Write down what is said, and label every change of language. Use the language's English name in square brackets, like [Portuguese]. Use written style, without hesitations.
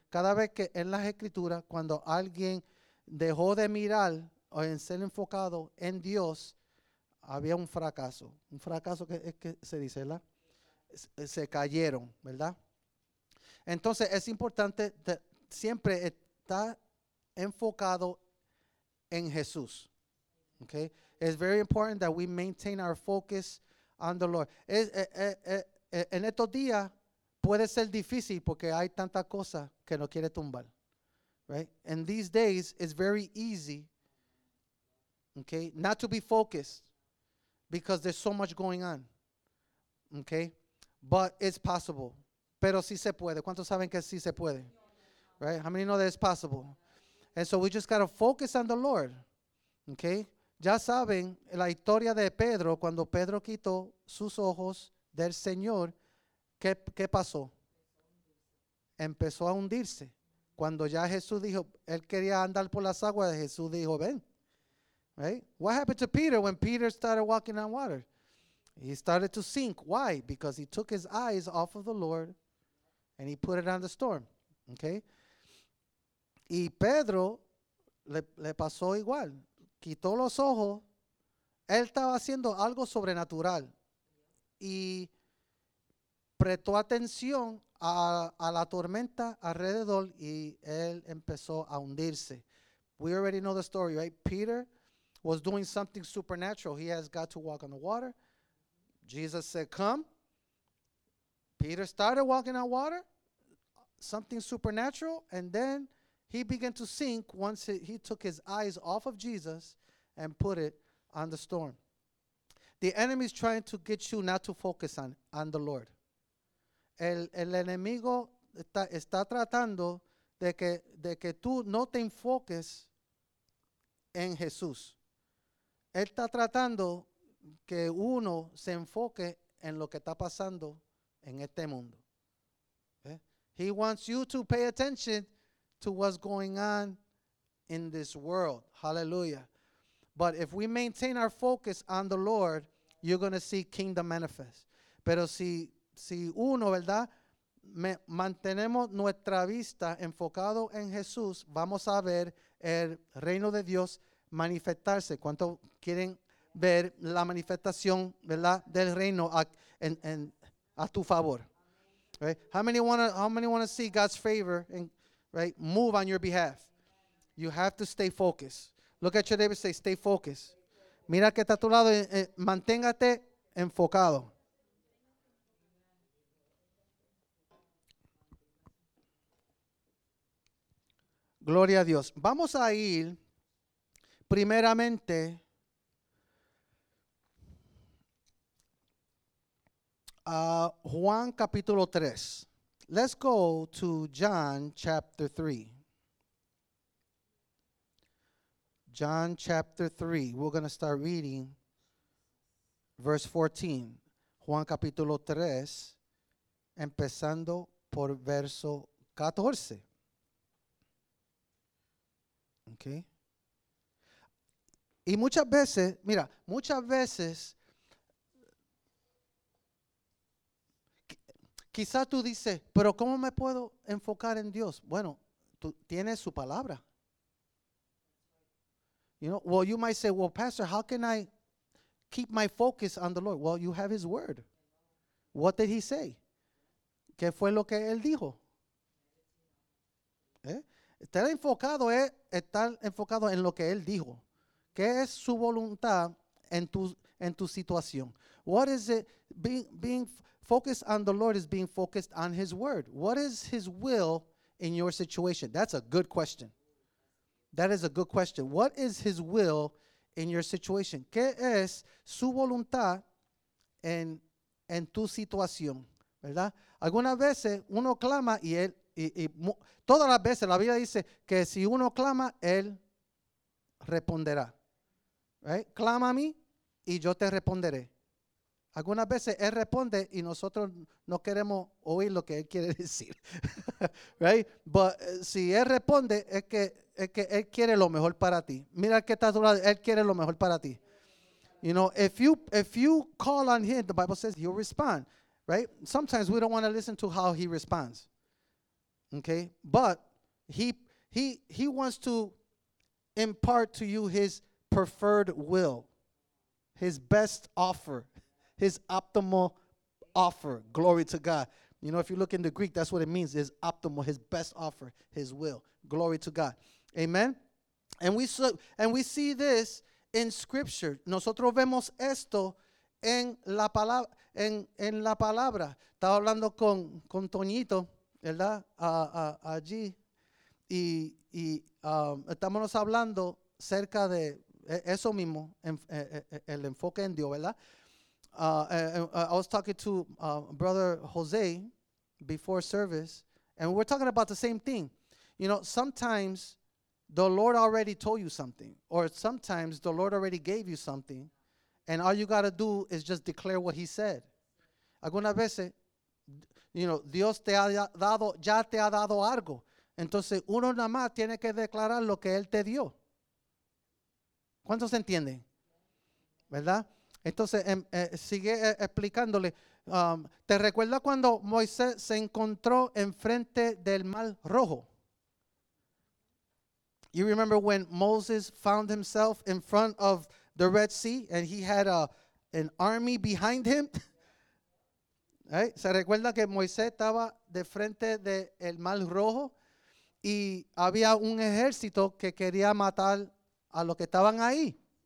[Spanish] Cada vez que en las escrituras, cuando alguien dejó de mirar o en ser enfocado en Dios, había un fracaso. Un fracaso que es que se dice, ¿verdad? Se cayeron, ¿verdad? Entonces, es importante siempre estar enfocado en Jesús. [English] Okay? It's very important that we maintain our focus on the Lord. [Spanish] En estos días puede ser difícil porque hay tanta cosa que no quiere tumbar. [English] Right? In these days, it's very easy, okay, not to be focused because there's so much going on. Okay? But it's possible. [Spanish] Pero sí se puede. ¿Cuántos saben que sí se puede? [English] Right? How many know that it's possible? And so we just got to focus on the Lord. Okay? [Spanish] Ya saben la historia de Pedro, cuando Pedro quitó sus ojos del Señor, ¿qué pasó? Empezó a hundirse. Cuando ya Jesús dijo, él quería andar por las aguas, Jesús dijo, ven. [English] Right? What happened to Peter when Peter started walking on water? He started to sink. Why? Because he took his eyes off of the Lord and he put it on the storm. [Spanish] Okay? Y Pedro le pasó igual. Quitó los ojos. Él estaba haciendo algo sobrenatural. Y prestó atención a la tormenta alrededor y él empezó a hundirse. [English] We already know the story, right? Peter was doing something supernatural. He has got to walk on the water. Jesus said, come. Peter started walking on water, something supernatural, and then he began to sink once he took his eyes off of Jesus and put it on the storm. The enemy is trying to get you not to focus on the Lord. [Spanish] El enemigo está tratando de que tú no te enfoques en Jesús. Él está tratando que uno se enfoque en lo que está pasando en este mundo. [English] Okay? He wants you to pay attention to what's going on in this world. Hallelujah. But if we maintain our focus on the Lord, you're going to see kingdom manifest. [Spanish] Pero si uno, ¿verdad?, mantenemos nuestra vista enfocado en Jesús, vamos a ver el reino de Dios manifestarse. ¿Cuánto quieren ver la manifestación, ¿verdad?, del reino a tu favor? [English] Right? How many want to see God's favor and right move on your behalf? You have to stay focused. Look at your neighbor and say, stay focused. [Spanish] Mira que está a tu lado, manténgate enfocado. Gloria a Dios. Vamos a ir primeramente a Juan capítulo 3. [English] Let's go to John chapter 3. John chapter 3. We're going to start reading verse 14. [Spanish] Juan capítulo 3, empezando por verso 14. Okay. Y muchas veces, mira, muchas veces, quizás tú dices, pero ¿cómo me puedo enfocar en Dios? Bueno, tú tienes su palabra. [English] You know, well, you might say, well, Pastor, how can I keep my focus on the Lord? Well, you have his word. What did he say? [Spanish] ¿Qué fue lo que él dijo? ¿Eh? Estar enfocado es estar enfocado en lo que él dijo. ¿Qué es su voluntad en tu situación? [English] What is it? Being focused on the Lord is being focused on his word. What is his will in your situation? That's a good question. That is a good question. What is his will in your situation? [Spanish] ¿Qué es su voluntad en tu situación, ¿verdad? Algunas veces uno clama y él, y todas las veces la Biblia dice que si uno clama, él responderá. ¿Right? Clama a mí y yo te responderé. Algunas veces él responde y nosotros no queremos oír lo que él quiere decir. Right? But si él responde, es que él quiere lo mejor para ti. Mira que está a tu lado, él quiere lo mejor para ti. [English] You know, if you call on him, the Bible says he'll respond. Right? Sometimes we don't want to listen to how he responds. Okay? But he wants to impart to you his preferred will, his best offer, his optimal offer. Glory to God. You know, if you look in the Greek, that's what it means, his optimal, his best offer, his will. Glory to God. Amen? And we see this in Scripture. [Spanish] Nosotros vemos esto en la palabra. En la palabra. Estaba hablando con Toñito, ¿verdad? Allí. Y estamos hablando cerca de eso mismo, el enfoque en Dios, ¿verdad? [English] I was talking to Brother Jose before service, and we're talking about the same thing. You know, sometimes the Lord already told you something, or sometimes the Lord already gave you something, and all you got to do is just declare what he said. [Spanish] Algunas veces, you know, Dios te ha dado, ya te ha dado algo. Entonces, uno nada más tiene que declarar lo que él te dio. ¿Cuántos entienden? ¿Verdad? Entonces, sigue explicándole. ¿Te recuerdas cuando Moisés se encontró enfrente del Mar Rojo? [English] You remember when Moses found himself in front of the Red Sea and he had an army behind him? [Spanish] ¿Se recuerda que Moisés estaba de frente del Mar Rojo y había un ejército que quería matar a los que estaban ahí?